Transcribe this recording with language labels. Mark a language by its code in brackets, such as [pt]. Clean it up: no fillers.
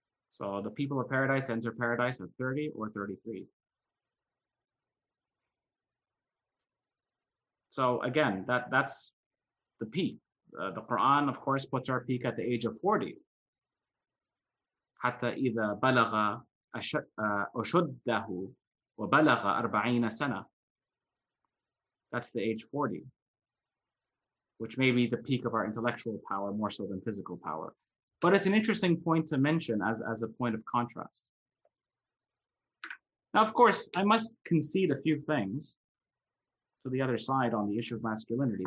[en] So the people of paradise enter paradise at 30 or 33. So again, that's the peak. The Quran, of course, puts our peak at the age of 40. [ar] حتى إذا بلغ أشده وبلغ 40 سنة. [en] That's the age 40, which may be the peak of our intellectual power more so than physical power. But it's an interesting point to mention as a point of contrast. Now, of course, I must concede a few things to the other side on the issue of masculinity.